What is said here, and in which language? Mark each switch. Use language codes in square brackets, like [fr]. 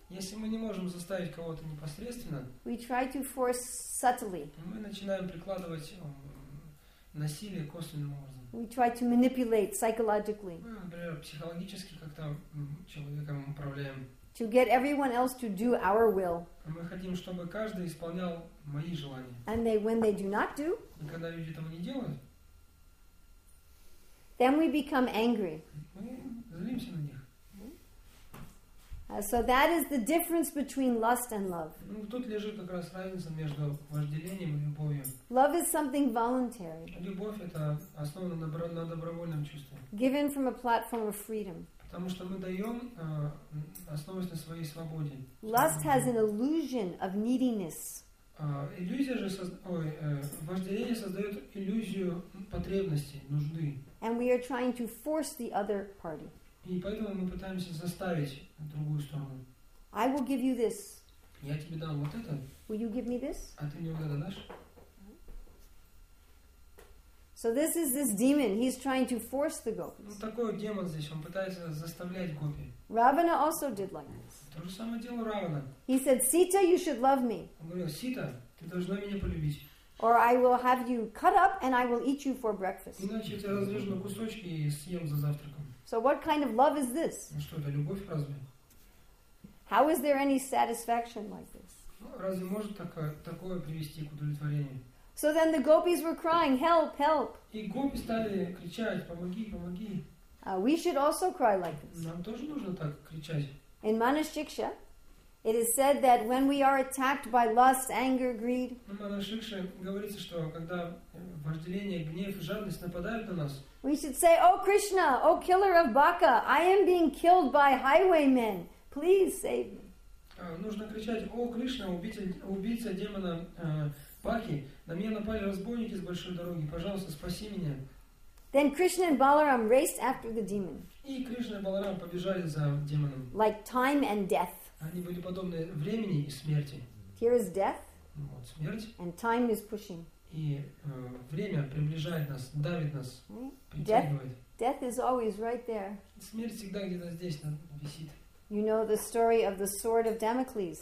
[ru] если мы не можем заставить кого-то непосредственно, [en] we try to force subtly. [ru] Мы начинаем прикладывать насилие косвенным образом. [en] We try to manipulate psychologically. [ru] Мы, например, психологически как-то человеком управляем. [en] To get everyone else to do our will. [ru] Мы хотим, чтобы каждый исполнял мои желания. [en] And they, when they do not do, [ru] и когда люди этого не делают, [en] then we become angry. [ru] Мы злимся на них. [en] So that is the difference between lust and love. [ru] Ну, тут лежит как раз разница между вожделением и любовью. [en] Love is something voluntary. [ru] Любовь — это основано на добровольном чувстве. [en] Given from a platform of freedom. [ru] Потому что мы даем, основываясь на своей свободе. [en] Lust has an illusion of neediness. [ru] Вожделение создает иллюзию потребности, нужды. [en] And we are trying to force the other party. [ru] И поэтому мы пытаемся заставить другую сторону. [en] I will give you this. [ru] Я тебе дам вот это. [en] Will you give me this? [ru] А ты мне вот это дашь? [en] So this is this demon. He's trying to force the gopis. [ru] Ну, такой вот демон здесь. Он пытается заставлять гопи. [en] Равана also did like this. [ru] То же самое делал Равана. [en] He said, Sita, you should love me. [ru] Он говорил, Сита, ты должна меня полюбить. [en] Or I will have you cut up and I will eat you for breakfast. [ru] Иначе я тебя разрежу на кусочки и съем за завтраком. [en] So what kind of love is this? [ru] Ну что, это любовь разве? [en] How is there any satisfaction like this? [ru] Ну, разве может такое привести к удовлетворению? [en] So then the gopis were crying, help, help. [ru] И гопи стали кричать, помоги, помоги. [en] We should also cry like this. [ru] Нам тоже нужно так кричать. [en] In Manushiksha, it is said that when we are attacked by lust, anger, greed. [ru] В Манушикше говорится, что когда вожделение, гнев и жадность нападают на нас. [en] We should say, "Oh Krishna, oh killer of Baka, I am being killed by highwaymen. Please save me." [ru] Нужно кричать, "О Кришна, убийца демона Бахи, на меня напали разбойники с большой дороги. Пожалуйста, спаси меня." [en] Then Krishna and Balaram raced after the demon. [ru] И Кришна и Баларам побежали за демоном. [en] Like time and death. [ru] Они были подобны времени и смерти. [en] Here is death. [ru] Вот смерть. [en] And time is pushing. [ru] И время приближает нас, давит нас, притягивает. [en] Death is always right there. [ru] Смерть всегда где-то здесь висит. [en] You know the story of the sword of Damocles.